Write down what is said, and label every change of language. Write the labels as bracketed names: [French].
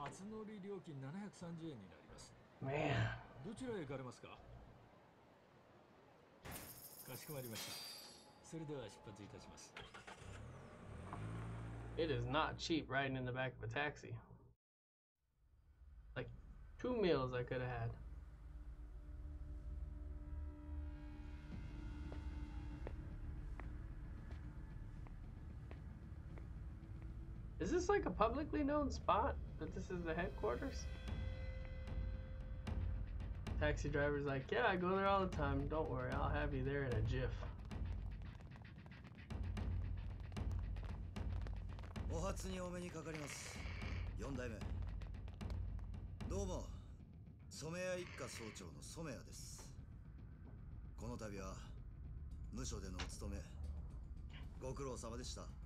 [Japanese] 乗り料金730円になります。 [English] Man. [Japanese] どちらへ行かれますか。かしこまりました。それでは出発いたします。 [English] It is not cheap riding in the back of a taxi. Like two meals I could have had. Is this like a publicly known spot? That this is the headquarters? Taxi driver's like, yeah, I go there all the time. Don't worry, I'll have you there in a jiff. [Japanese] お初にお目にかかります。四代目。どうも、染谷一家総長の染谷です。この度は、無所でのお勤め、ご苦労様でした。